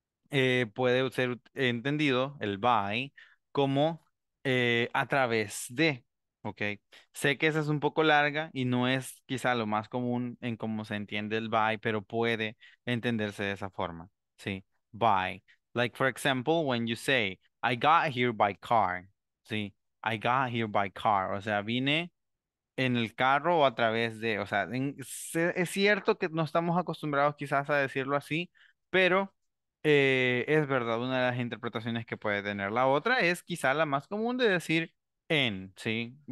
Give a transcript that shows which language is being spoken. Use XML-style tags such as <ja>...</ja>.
<es>puede ser entendido el by como a través de, ¿ok? Sé que esa es un poco larga y no es quizá lo más común en cómo se entiende el by, pero puede entenderse de esa forma, ¿sí?</es> <en>By, like for example, when you say, I got here by car, ¿sí?</en> <es>I got here by car, o sea, vine en el carro o a través de, o sea, es cierto que no estamos acostumbrados quizás a decirlo así, pero... es verdad, una de las interpretaciones que puede tener. La otra es quizá la más común de decir en, ¿sí?</es>